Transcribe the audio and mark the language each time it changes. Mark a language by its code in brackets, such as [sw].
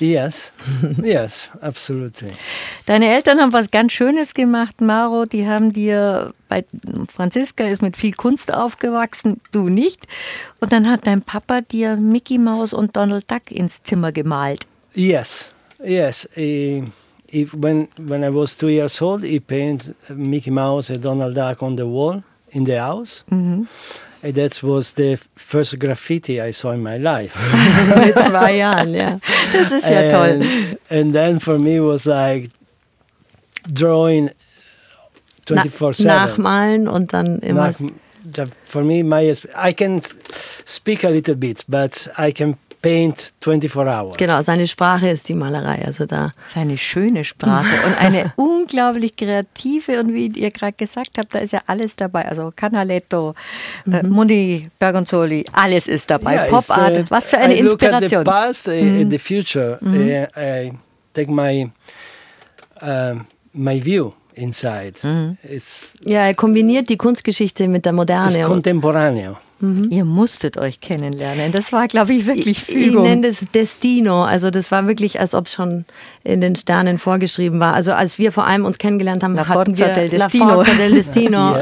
[en] Yes, yes, absolutely. [de] Deine Eltern haben was ganz Schönes gemacht, Mauro. Die haben dir, bei Franziska ist mit viel Kunst aufgewachsen, du nicht. Und dann hat dein Papa dir Mickey Maus und Donald Duck ins Zimmer gemalt. [en] Yes. Yes, when I was 2 years old, he painted Mickey Mouse and Donald Duck on the wall in the house. Mm-hmm. And that was the first graffiti I saw in my life. [de] Mit 2 Jahren, ja. Das ist ja toll. [en] And then for me it was like drawing 24/7. [de] Nachmalen und dann immer... [en] For me, I can speak a little bit, but I can paint 24 hours. [de] Genau, seine Sprache ist die Malerei, also da. Seine schöne Sprache und eine unglaublich kreative, und wie ihr gerade gesagt habt, da ist ja alles dabei, also Canaletto, Moni Bergonzoli, alles ist dabei, yeah, Pop-Art, was für eine Inspiration. [en] I look at the past and the future, I take my view inside. [de] Er kombiniert die Kunstgeschichte mit der Moderne. Das Contemporaneo. Ihr musstet euch kennenlernen. Das war, glaube ich, wirklich Fügung. Ich nenne das Destino. Also das war wirklich, als ob es schon in den Sternen vorgeschrieben war. Also als wir vor allem uns kennengelernt haben, [it] La Forza del Destino.